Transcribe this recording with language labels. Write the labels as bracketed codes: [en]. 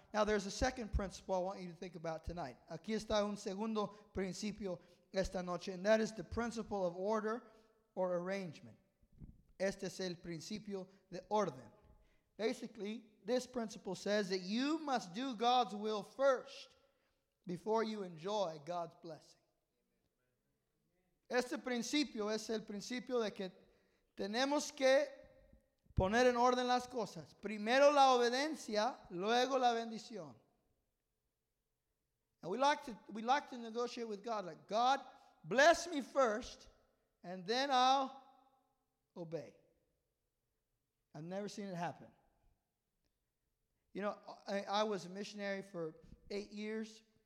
[en] Now, there's a second principle I want you to think about tonight. [es] Aquí está un segundo principio esta noche. [en] And that is the principle of order or arrangement. [es] Este es el principio de orden. [en] Basically, this principle says that you must do God's will first before you enjoy God's blessing. [es] Este principio es el principio de que tenemos que poner en orden las cosas. Primero la obediencia, luego la bendición. [en] And we like to negotiate with God, like, God, bless me first, and then I'll obey. I've never seen it happen. You know, I was a missionary for 8 years.